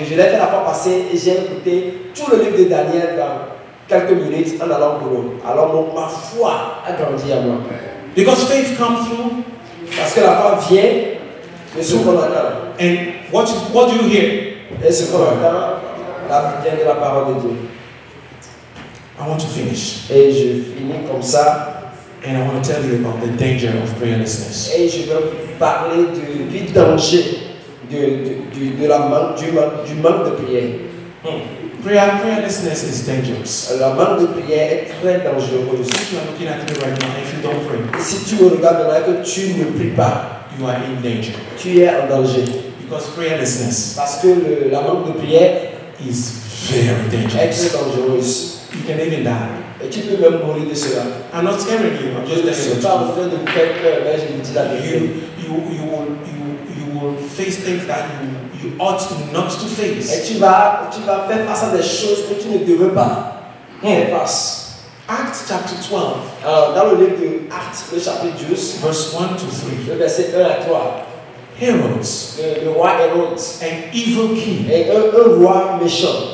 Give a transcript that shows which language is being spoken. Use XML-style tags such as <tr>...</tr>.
<fr>Je l'ai fait la fois passée et j'ai écouté tout le livre de Daniel dans quelques minutes en allant au boulot. Alors ma foi a grandi à moi.</fr> <en>Because faith comes through.</en> <fr>Parce que la foi vient de ce qu'on entend.</fr> <en>And what do you hear?</en> <fr>Et ce qu'on entend, la vient de la parole de Dieu.</fr> <en>I want to finish.</en> <fr>Et je finis comme ça.</fr> <en>And I want to tell you about the danger of prayerlessness.</en> <fr>Et je veux vous parler du danger du manque de prière.</fr> <en>Prayerlessness is dangerous.</en> <fr>La manque de prière est très dangereuse.</fr> <en>If you are looking at me right now, if you don't pray,</en> <fr>si tu me regardes maintenant et que tu ne pries pas,</fr> <en>you are in danger.</en> <fr>Tu es en danger. Parce que la manque de prière</fr> <en>is very dangerous.</en> <fr>Est très dangereuse.</fr> <en>You can even die.</en> <fr>Et tu peux même mourir de cela.</fr> <en>I'm not scaring you. I'm just telling you.</en> <fr>Pas besoin de faire peur, mais je vous dis la vérité.</fr> <en>You will face things that you ought not to face.</en> <fr>Et tu vas faire face à des choses que tu ne devrais pas faire face.</fr> <en>Acts chapter 12.</en> <fr>Dans le livre de Actes, le chapitre 12,</fr> <en>verse 1-3.</en> <fr>Le verset 1-3.</fr> <en>Herods,</en> <fr>le roi Herodes,</fr> <en>an evil king,</en> <fr>et un roi méchant,</fr>